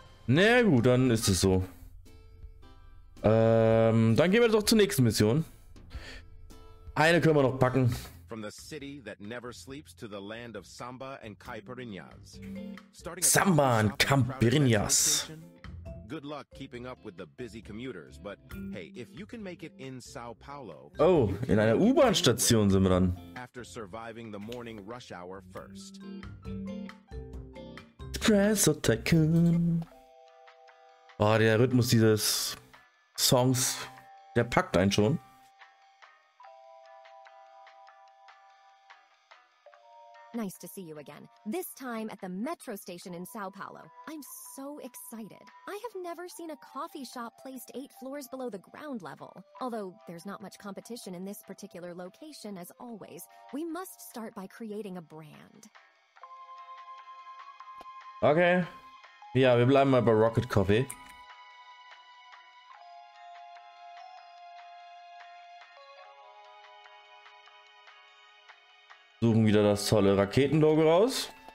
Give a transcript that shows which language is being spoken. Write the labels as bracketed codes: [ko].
[de] Na gut, dann ist es so. Dann gehen wir doch zur nächsten Mission. Eine können wir noch packen. [en] From the city that never sleeps to the land of Samba and Caipirinhas. [de] Samba und Caipirinhas. [en] Good luck keeping up with the busy commuters, but hey, if you can make it in Sao Paulo. [de] Oh, in einer U-Bahn-Station sind wir dann. [en] After surviving the morning rush hour first. Espresso Tycoon. [de] Oh, der Rhythmus dieses Songs, der packt einen schon. [en] Nice to see you again. This time at the metro station in Sao Paulo. I'm so excited. I have never seen a coffee shop placed 8 floors below the ground level. Although there's not much competition in this particular location as always, we must start by creating a brand. Okay. [de] Ja, wir bleiben mal bei Rocket Coffee. Suchen wieder das tolle Raketenlogo raus.